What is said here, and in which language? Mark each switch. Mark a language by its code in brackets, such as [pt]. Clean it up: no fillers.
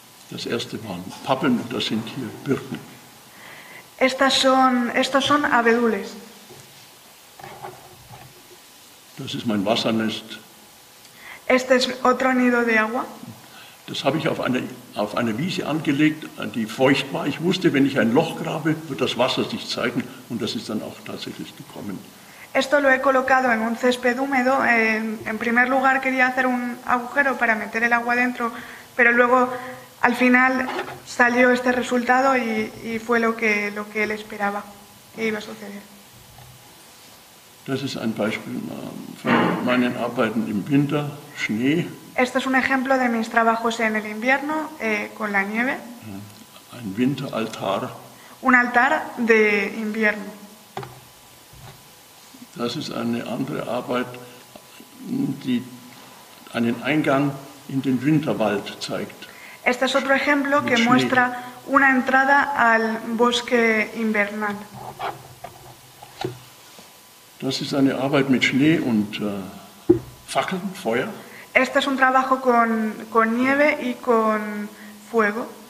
[de] Das erste waren Pappeln, das sind hier Birken. [es] Estos son abedules. [de] Das ist mein Wassernest. [es] Este es otro nido de agua. [de] Das habe ich auf eine Wiese angelegt, die feucht war. Ich wusste, wenn ich ein Loch grabe, wird das Wasser sich zeigen. Und das ist dann auch tatsächlich gekommen. [es] Esto lo he colocado en un césped húmedo. En primer lugar quería hacer un agujero para meter el agua dentro, pero luego al final salió este resultado y fue lo que él esperaba que iba a suceder. [de] Das ist ein Beispiel von meinen Arbeiten im Winter, Schnee. [es] Este es un ejemplo de mis trabajos en el invierno con la nieve. [de] Ein Winteraltar. [es] Un altar de invierno. [de] Das ist eine andere Arbeit, die einen Eingang in den Winterwald zeigt. [es] Este es otro ejemplo que muestra una entrada al bosque invernal. [de] Das ist eine Arbeit mit Schnee und Fackeln, Feuer. [es] Este es un trabajo con nieve y con fuego.